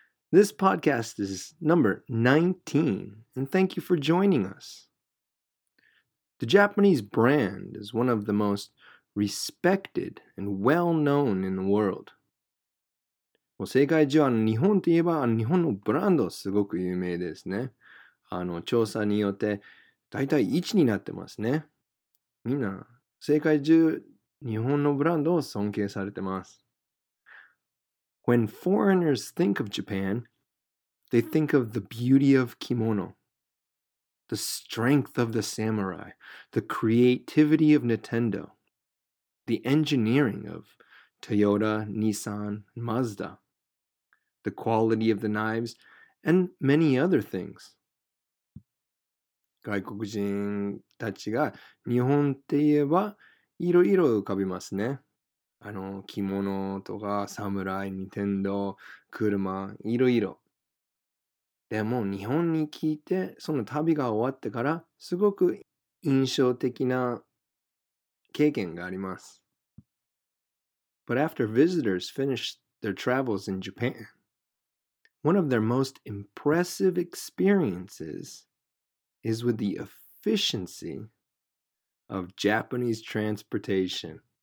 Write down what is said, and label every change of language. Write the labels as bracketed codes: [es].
[en] This podcast is number 19 and thank you for joining us. The Japanese brand is one of the mostrespected and well known in the world. [ja] 世界中は日本といえば日本のブランドすごく有名ですね。調査によってだいたい1になってますね。みんな世界中日本のブランドを尊敬されてます。 [en] When foreigners think of Japan, they think of the beauty of kimono, the strength of the samurai, the creativity of Nintendo. The engineering of Toyota, Nissan, Mazda, the quality of the knives, and many other things. [ja] 外国人たちが日本って言えばいろいろ浮かびますね。着物とか、サムライ、ニンテンドー、車、いろいろ。でも日本に聞いて、その旅が終わってからすごく印象的な経験があります。 [en] But after visitors finish their travels in Japan, one of their most impressive experiences is with the efficiency of Japanese transportation.